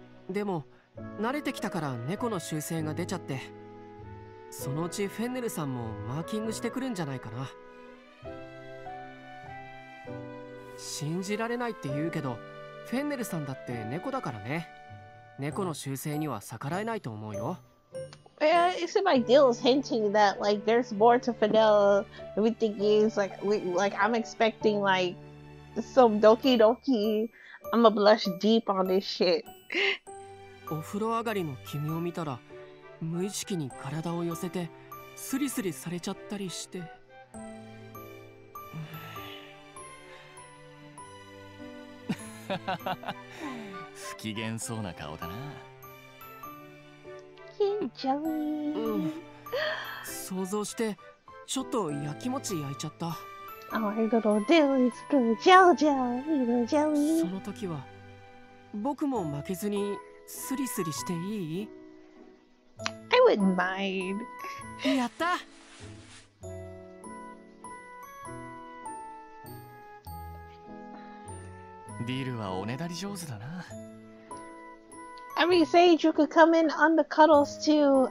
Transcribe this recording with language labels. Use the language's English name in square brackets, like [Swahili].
[Japanese] でも慣れてきたから猫の習性が出ちゃって、そのうちフェンネルさんもマーキングしてくるんじゃないかな。信じられないって言うけど、フェンネルさんだって猫だからね。猫の習性には逆らえないと思うよ。 [English] Yeah, it's like Dill is hinting that like there's more to Fennel. We think he's like I'm expecting like some doki doki. I'ma blush deep on this shit. [Japanese] お風呂上がりの君を見たら、無意識に体を寄せてスリスリされちゃったりして。不機嫌そうな顔だな。キンジャミー、想像してちょっとやきもち焼いちゃ [English] った。Dill is too jelly, jelly. [Japanese] その時は僕も負けずにスリスリしていい？ [English] I wouldn't mind. [Japanese] やった。ディルはおねだり上手だな。 [English] I mean, Sage, you could come in on the cuddles too.